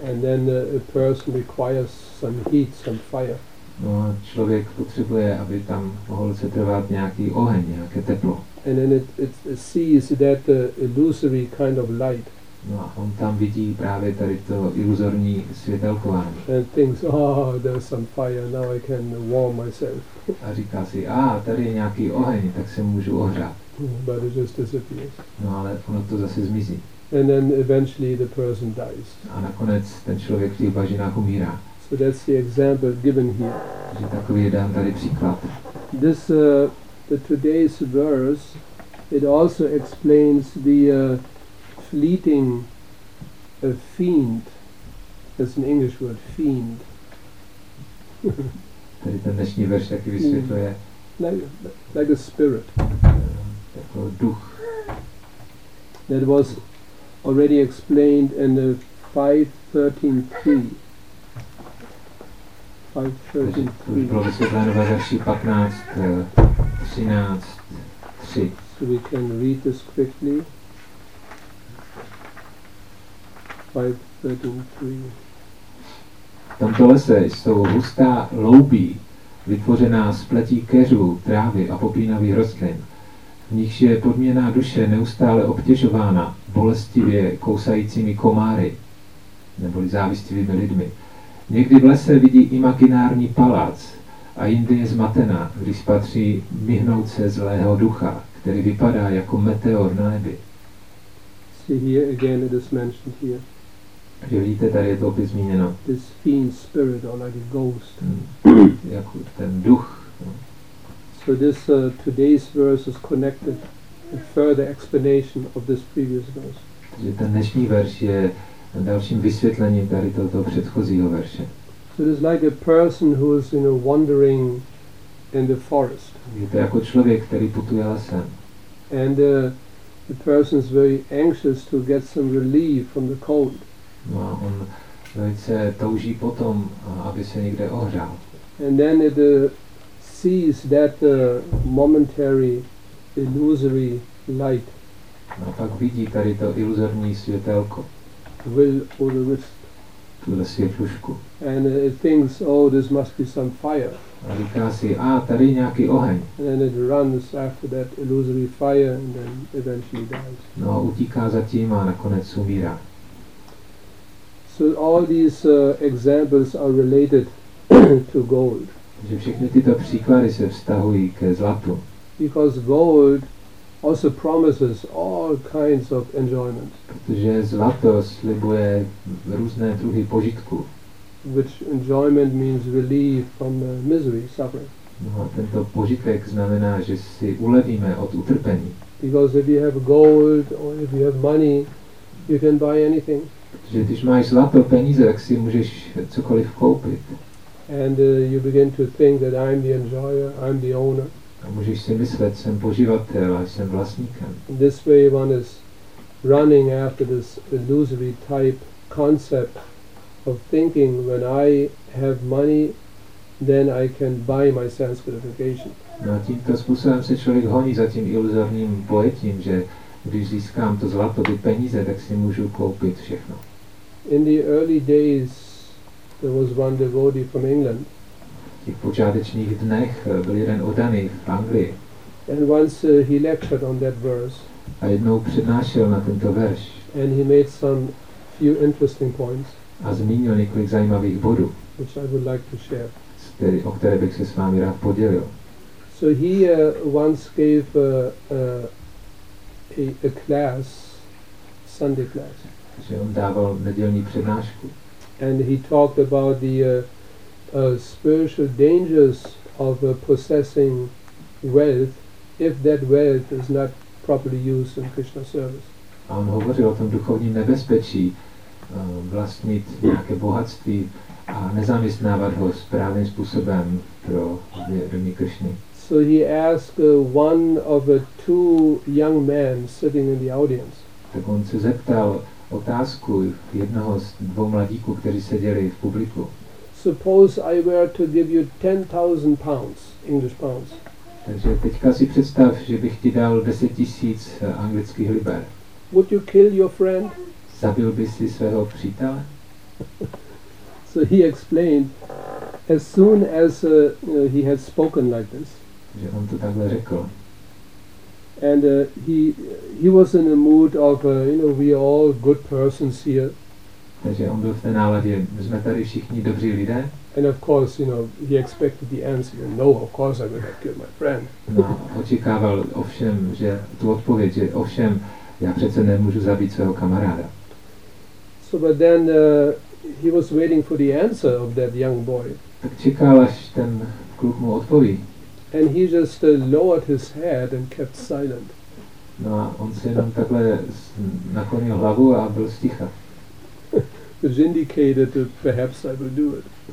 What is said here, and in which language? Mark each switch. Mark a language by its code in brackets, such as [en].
[en] And then a person requires some heat, some fire. [cs] No, člověk potřebuje, aby tam mohl setrvat nějaký oheň, nějaké teplo. [en] And then it sees that illusory kind of light. [cs] No, a on tam vidí právě tady to iluzorní světelkování. [en] And thinks, oh, there's some fire, now I can warm myself. [cs] A říká si, tady je nějaký oheň, tak se můžu ohřát. [en] But it just disappears. [cs] No, ale ono to zase zmizí. [en] And then eventually the person dies. [cs] A nakonec ten člověk v těch bažinách umírá. [en] So that's the example given here. [cs] Že takový je dán tady příklad. [en] This the today's verse, it also explains the fleeting fiend. That's an English word, fiend. [cs] Tady ten dnešní verš taky vysvětluje. [en] Like a spirit. [cs] Jako duch. [en] That was already explained in the 5.13.3. 5.13.3. So we can read this quickly. 5.13.3. [cs] V tomto lese jsou hustá loubí, vytvořená z pletí keřů, trávy a popínavých rostlin. V nich je podměná duše neustále obtěžována bolestivě kousajícími komáry, neboli závistivými lidmi. Někdy v lese vidí imaginární palác a jindy je zmatená, když spatří mihnouce zlého ducha, který vypadá jako meteor na nebi. [en] See here again it is mentioned here. [cs] Že vidíte, tady je to opět zmíněno. [en] This fiend spirit or like a ghost. [cs] Jako ten duch. [en] So this today's verse is connected with further explanation of this previous verse. [cs] Takže ten dnešní verš je dalším vysvětlením tady tohoto předchozího verše. [en] So it is like a person who is, you know, wandering in the forest. [cs] Je to jako člověk, který putuje lesem. [en] And the person is very anxious to get some relief from the cold. [cs] No, on velice touží potom, aby se někde ohřál. [en] And then the sees that momentary illusory light. [cs] No, pak vidí tady to iluzorní světelko. [en] Will or the wisp. [cs] Tuhle světlušku. [en] And it thinks, oh, this must be some fire. [cs] A říká si, tady je nějaký oheň. [en] And then it runs after that illusory fire and then eventually dies. [cs] No, utíká za tím a nakonec umírá. [en] So all these examples are related to gold. [cs] Že všechny tyto příklady se vztahují ke zlatu. [en] Because gold also promises all kinds of enjoyment. [cs] Protože zlato slibuje různé druhy požitku. [en] Which enjoyment means relief from misery, suffering. [cs] No, a tento požitek znamená, že si ulevíme od utrpení. [en] Because if you have gold or if you have money, you can buy anything. [cs] Protože když máš zlato, peníze, tak si můžeš cokoliv koupit. [en] And you begin to think that I'm the enjoyer, I'm the owner. [cs] A můžeš si myslet, jsem poživatel a jsem vlastníkem. [en] This way one is running after this illusory type concept of thinking, when I have money, then I can buy my sense gratification. [cs] No, tímto způsobem se člověk honí za tím iluzorním pojetím, že když získám to zlato, ty peníze, tak si můžu koupit všechno. [en] In the early days, there was one devotee from England. [cs] V těch počátečních dnech byl jeden oddaný v Anglii. [en] And once he lectured on that verse. [cs] A jednou přednášel na tento verš. [en] And he made some few interesting points. [cs] a zmínil několik zajímavých bodů, [en] which I would like to share. [cs] Který, o které bych se s vámi rád podělil. [en] So he once gave a class, Sunday class. [cs] Že on dával nedělní přednášku. [en] And he talked about the spiritual dangers of possessing wealth if that wealth is not properly used in Krishna service. [cs] A on hovořil o tom duchovním nebezpečí vlastnit nějaké bohatství a nezaměstnávat ho správným způsobem pro vědomí Krishny. [en] So he asked one of the two young men sitting in the audience. [cs] Tak on se zeptal otázku jednoho z dvou mladíků, kteří seděli v publiku. [en] Suppose I were to give you 10,000 pounds, English pounds. [cs] Takže teďka si představ, že bych ti dal 10,000 anglických liber. [en] Would you kill your friend? [cs] Zabil bys si svého přítele? [en] So he explained, as soon as he had spoken like this, [cs] že on to takhle řekl. [en] And he was in a mood of you know, we are all good persons here. [cs] Takže on byl v té náladě, my jsme tady všichni dobří lidé. [en] And of course, you know, he expected the answer, no, of course I will not kill my friend. [cs] No, očekával ovšem, že tu odpověď, že ovšem, já přece nemůžu zabít svého kamaráda. [en] So but then he was waiting for the answer of that young boy. [cs] Tak čekal, až ten kluk mu odpoví. [en] And he just lowered his head and kept silent. [cs] No a on se jenom takhle naklonil hlavu a byl sticha. [en] Which indicated that perhaps I will do it.